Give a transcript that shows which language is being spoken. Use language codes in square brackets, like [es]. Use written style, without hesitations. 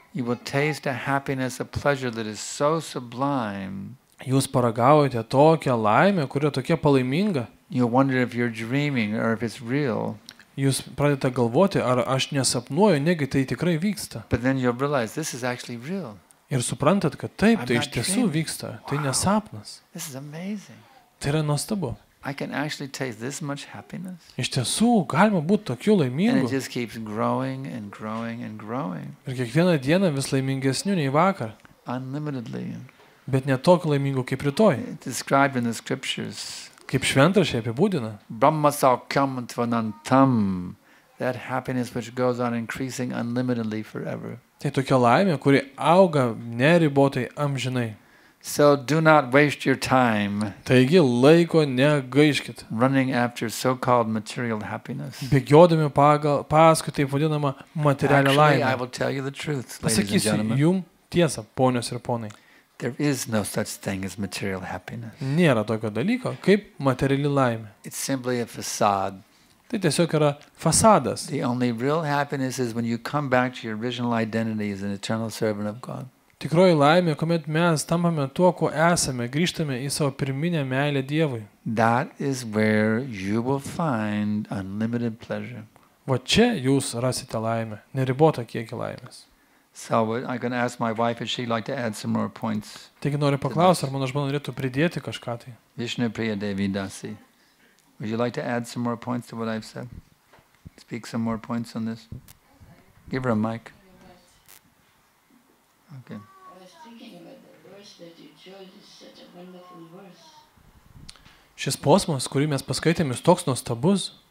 [en] you will taste a happiness, a pleasure that is so sublime. [lt] Jūs paragaujate tokią laimę, kuri tokia palaiminga. [en] You wonder if you're dreaming or if it's real. [lt] Jūs pradėta galvoti, ar aš nesapnuoju, negi tai tikrai vyksta. [en] But then you realize this is actually real. [lt] Ir suprantat, kad taip, tai iš tiesų vyksta, tai [en] wow. [lt] Nesapnas. [en] This is amazing. [lt] Tai yra nuostabu. [en] I can actually taste this much happiness. [lt] Iš tiesų galima būti tokiu laimingu. [en] And it just keeps growing and growing and growing. [lt] Ir kiekvieną dieną vis laimingesniu nei vakar. [en] Unlimitedly. [lt] Bet ne tokiu laimingu kaip rytoj. [en] Described in the scriptures. [lt] Kaip šventrašiai apibūdina. [sa] Brahma saukyam tvanantam. [en] That happiness which goes on increasing unlimitedly forever. [lt] Tai tokia laimė, kuri auga neribotai amžinai. [en] So do not waste your time. [lt] Taigi laiko negaiškit. [en] Running after so-called material happiness. [lt] Bėgiodami paskui taip vadinamą materialią laimę. [en] I will tell you the truth, ladies and gentlemen. [lt] Pasakysiu jums tiesą, ponios ir ponai. [en] There is no such thing as material happiness. [lt] Nėra tokio dalyko kaip materiali laimė. [en] It's simply a facade. [lt] Tai tiesiog yra fasadas. [en] The only real happiness is when you come back to your original identity as an eternal servant of God. [lt] Tikroji laimė, kuomet mes tampame tuo, kuo esame, grįžtame į savo pirminę meilę Dievui. [en] That is where you will find unlimited pleasure. [lt] Va čia jūs rasite laimę, neribotą kiekį laimės. [en] So I can ask my wife if she'd like to add some more points. [lt] Taigi noriu paklausti, ar mano žmona norėtų pridėti kažką tai. [en] Vishnu Priya Devi Dasi. Would you like to add some more points to what I've said? Speak some more points on this. Give her a mic. Okay. I was thinking about the verse that you chose is such a wonderful verse. [lt] Šis posmas, kurį mes paskaitėme, toks nuostabus.